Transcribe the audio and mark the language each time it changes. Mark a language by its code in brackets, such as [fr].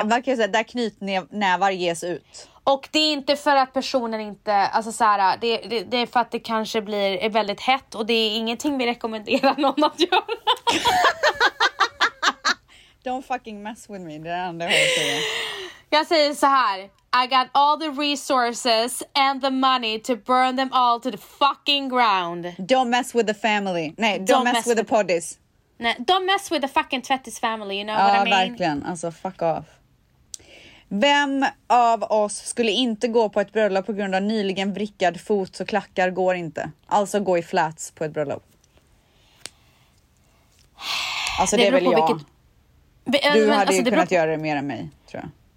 [sv] Kan jag säga, där knytnävar ges ut. Och det är inte för att personen inte... Alltså så här, det är för att det kanske blir väldigt hett. Och det är ingenting vi rekommenderar någon att göra. [en] Don't fucking mess with me, [sv] det är andra jag säger så här. [en] I got all the resources and the money to burn them all to the fucking ground. Don't mess with the family. [sv] Nej, [en] don't mess with the poddies. [sv] Nej, [en] don't mess with the fucking tvättis family, you know what I mean? [sv] Ja, verkligen. Alltså, [en] fuck off. [sv] Vem av oss skulle inte gå på ett bröllop på grund av nyligen vrickad fot så klackar går inte? Alltså gå i flats på ett bröllop. Alltså, det är väl jag. Vilket... Du hade alltså, ju kunnat göra det mer än mig, tror jag.